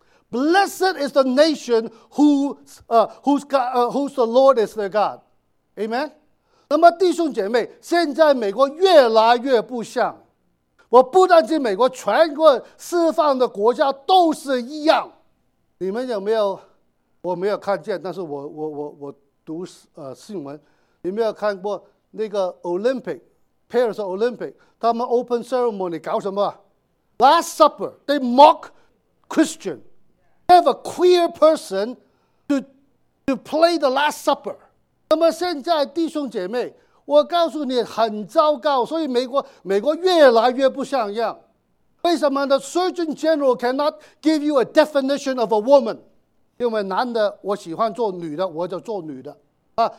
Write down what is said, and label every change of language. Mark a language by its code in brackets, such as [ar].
[en] Blessed is the nation whose the Lord is their God. Amen. [zh] 那么弟兄姐妹，现在美国越来越不像，我不但是美国，全国释放的国家都是一样。你们有没有？我没有看见，但是我读新闻，你没有看过那个 [en] Olympic Paris Olympic [zh] 他们 [en] open ceremony [zh] 搞什么 ？ [en] Last Supper. They mock Christian. Have a queer person to play the Last Supper. [zh] 那么现在弟兄姐妹，我告诉你很糟糕，所以美国越来越不像样。为什么呢 [en] ？Surgeon General cannot give you a definition of a woman. [zh] 因为男的我喜欢做女的，我就做女的啊。